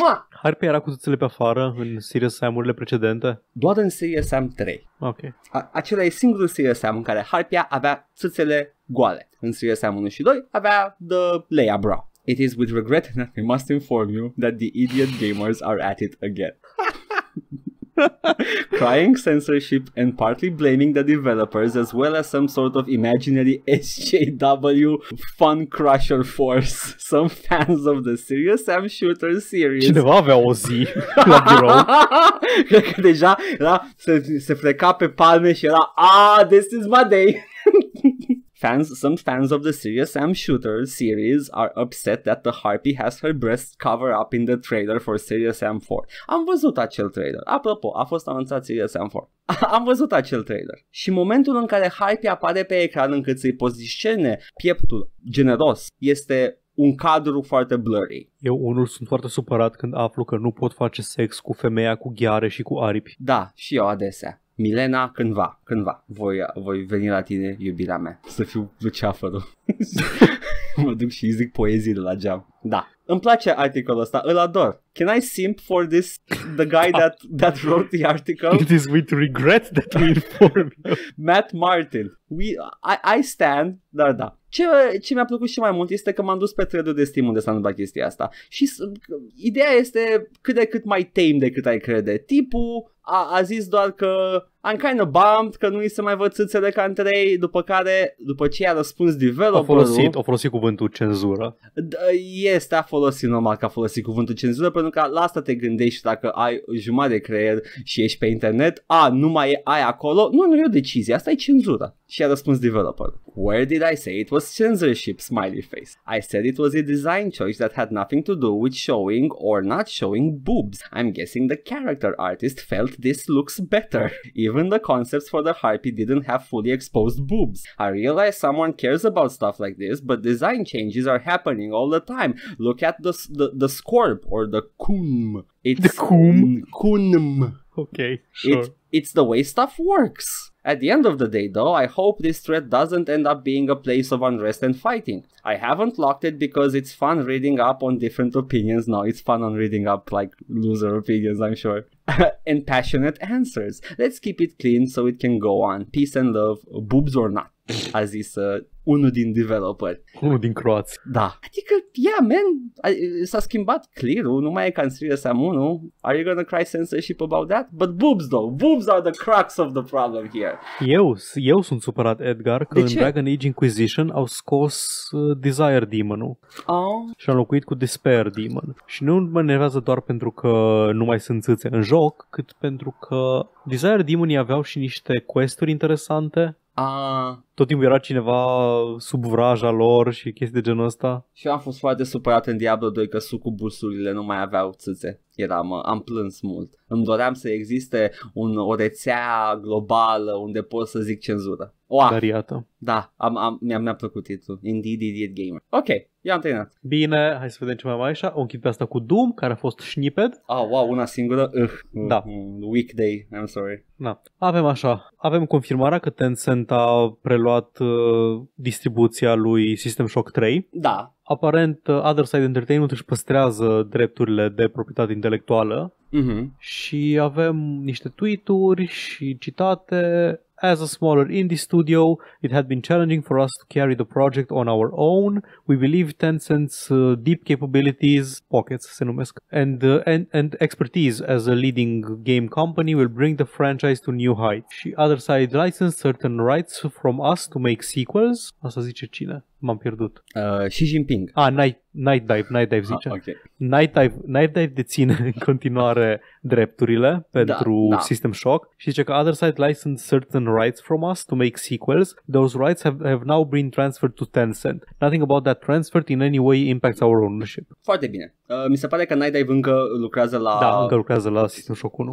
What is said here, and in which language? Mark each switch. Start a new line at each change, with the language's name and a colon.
Romanian: Harpy era cu tuțele pe afară în Serious Sam-urile precedente? Doar în Serious Sam 3. Ok. Acela e singurul Serious Sam în care Harpia avea tuțele goale. În Serious Sam 1 și 2 avea
English: the Leia bra. It is with regret that I must inform you that the idiot gamers are at it again. Crying censorship and partly blaming the developers as well as some sort of imaginary SJW fun crusher force. Some fans of the Serious Sam Shooter series.
Romanian: Cineva avea o zi la birou. Cred că deja era, se freca pe palme și era,
English: this is my day. Some fans of the Serious Sam Shooter series are upset that the Harpy has her breasts covered up in the trailer for Serious Sam 4.
Romanian: Am văzut acel trailer. Apropo, a fost anunțat Serious Sam 4. Am văzut acel trailer. Și momentul în care Harpy apare pe ecran încât să-i poziționeze pieptul generos este un cadru foarte blurry. Eu unul sunt foarte supărat când aflu că nu pot face sex cu femeia cu ghiare și cu aripi. Da, și eu adesea. Milena, cândva, voi veni la tine, iubirea mea, să fiu luceafărul. Mă duc și zic poezii de la geam. Da, îmi place articolul ăsta, îl ador.
English: Can I simp for this, the guy that wrote the article? It is with regret that we inform you. Matt Martin, I stand,
Romanian: dar da. Ce mi-a plăcut și mai mult este că m-am dus pe thread-ul de Steam unde s-a întâmplat chestia asta. Și ideea este cât de cât mai tame decât ai crede. Tipul a zis doar că
English: I'm kind of bummed
Romanian: că nu-i se mai văd țâțele ca în 3, după care, după ce i-a răspuns developerul... A folosit cuvântul cenzură. Este, a folosit, normal că a folosit cuvântul cenzură, pentru că la asta te gândești dacă ai jumătate de creier și ești pe internet, nu mai ai acolo. Nu e o decizie, asta e cenzură. Și a răspuns developerul.
English: Where did I say it was censorship, smiley face? I said it was a design choice that had nothing to do with showing or not showing boobs. I'm guessing the character artist felt this looks better. Even the concepts for the Harpy didn't have fully exposed boobs. I realize someone cares about stuff like this, but design changes are happening all the time. Look at the Scorp or the Kum. It's the Kum? Kunm. Okay, sure. It's the way stuff works. At the end of the day, though, I hope this thread doesn't end up being a place of unrest and fighting. I haven't locked it because it's fun reading up on different opinions. No, it's fun on reading up, like, loser opinions, I'm sure. And passionate answers. Let's keep it clean so it can go on. Peace and love, boobs or not.
Romanian: A zis unul din developer. Unul din croați. Da. Adică, yeah, man, s-a schimbat clear-ul, nu mai e ca în Serious Sam 1.
English: Are you gonna cry censorship about that? But boobs, though. Boobs are the crux of the problem here.
Romanian: Eu sunt supărat, Edgar, că în Dragon Age Inquisition au scos Desire Demon-ul. Oh. Și au locuit cu Despair Demon. Și nu mă enervează doar pentru că nu mai sunt țâțe în joc, cât pentru că Desire Demon-ii aveau și niște quest-uri interesante. Tot timpul era cineva sub vraja lor și chestii de genul ăsta. Și eu am fost foarte supărat în Diablo 2 că sucubusurile nu mai aveau țâțe. Am plâns mult. Îmi doream să existe o rețea globală unde pot să zic cenzură. Wow. Dar iată. Da, mi-a plăcut titlul. Indeed, Idiot Gamer. Ok, i-am terminat. Bine, hai să vedem ce mai așa. O închid pe asta cu Doom, care a fost snippet. Ah, oh, wow, una singură. Da.
English: Weekday, I'm sorry.
Romanian: Da. Avem așa. Avem confirmarea că Tencent a preluat distribuția lui System Shock 3. Da. Aparent, Other Side Entertainment își păstrează drepturile de proprietate intelectuală. Mm-hmm. Și avem niște tweet-uri și citate...
English: As a smaller indie studio, it had been challenging for us to carry the project on our own. We believe Tencent's deep capabilities,
Romanian: pockets se numesc,
English: and expertise as a leading game company will bring the franchise to new heights.
Romanian: Și Other Side
English: licensed certain rights from us to make sequels.
Romanian: Asta zice cine? M-am pierdut. Xi Jinping. Ah, Night Dive zice.
English: Okay.
Romanian: Night Dive deține în continuare drepturile pentru System Shock și zice că Other Side
English: licensed certain rights from us to make sequels. Those rights have now been transferred to Tencent. Nothing about that transfer in any way impacts our ownership.
Romanian: Foarte bine. Mi se pare că Night Dive încă lucrează la... Da, încă lucrează la System Shock 1.